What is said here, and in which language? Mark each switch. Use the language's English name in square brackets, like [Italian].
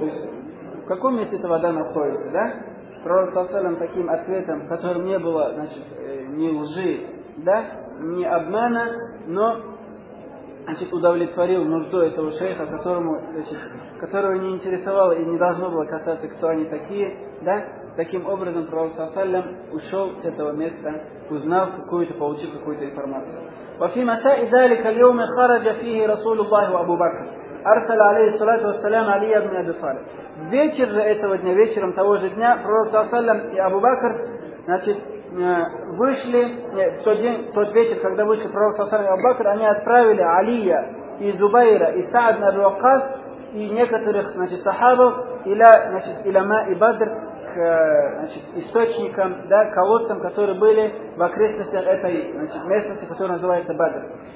[Russian] То есть в каком месте эта вода находится, да? Пророк саллям таким ответом, которым не было, значит, ни лжи, да, ни обмана, но значит, удовлетворил нужду этого шейха, которому, значит, которого не интересовало и не должно было касаться, кто они такие, да? Таким образом, пророк саллям ушел с этого места, узнав какую-то, получив какую-то информацию. [Arabic] وفي مساء ذلك اليوم خرج فيه رسول الله وابو بكر ارسل عليه الصلاه والسلام علي بن ابي طالب. [Russian] Вечер же этого дня, вечером того же дня, пророк саллям и абу бакр, значит, вышли, нет, в тот день, в тот вечер, когда вышли пророк саллям и абу бакр, они отправили Алия и Зубайра и Саад ибн Вакас и некоторых, значит, сахабов иля, значит, иля ма и бадр к, значит, источникам, да, колодцам, которые были в окрестностях этой, значит, местности, которая называется Бадр.